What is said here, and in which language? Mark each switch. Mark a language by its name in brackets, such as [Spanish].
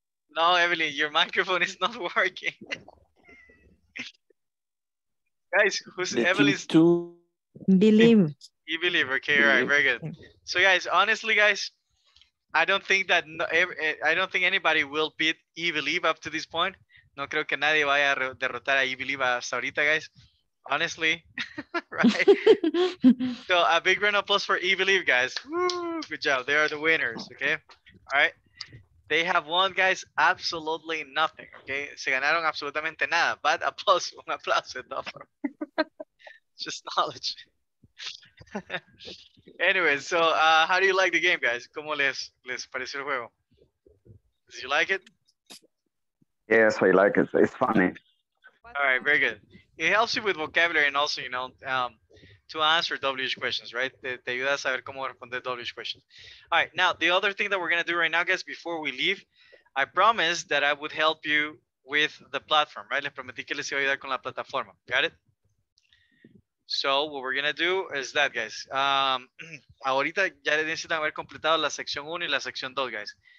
[English] No, Evelyn, your microphone is not working. Guys, who's the Evelyn's team? Believe. You believe, okay, all right, very good. So guys, honestly, guys, I don't think anybody will beat I believe up to this point. [Spanish] No creo que nadie vaya a derrotar a I believe hasta ahorita, guys. [English] Honestly, right? So a big round of applause for I believe, guys. Woo, good job, they are the winners, okay? All right, they have won, guys, absolutely nothing, okay? [Spanish] Se ganaron absolutamente nada, [English] but applause, [Spanish] un aplauso, no, [English] for just knowledge. Anyway, so how do you like the game, guys? [Spanish] ¿Cómo les pareció el juego? [English] Do you like it? Yes, I like it. It's funny. All right, very good. It helps you with vocabulary and also, you know, to answer WH questions, right? [Spanish] Te ayuda a saber cómo responder WH questions. [English] All right, now, the other thing that we're going to do right now, guys, before we leave, I promised that I would help you with the platform, right? [Spanish] Les prometí que les iba a ayudar con la plataforma. [English] Got it? So what we're going to do is that, guys. [Spanish] Ahorita ya necesitan haber completado la sección 1 y la sección 2, guys.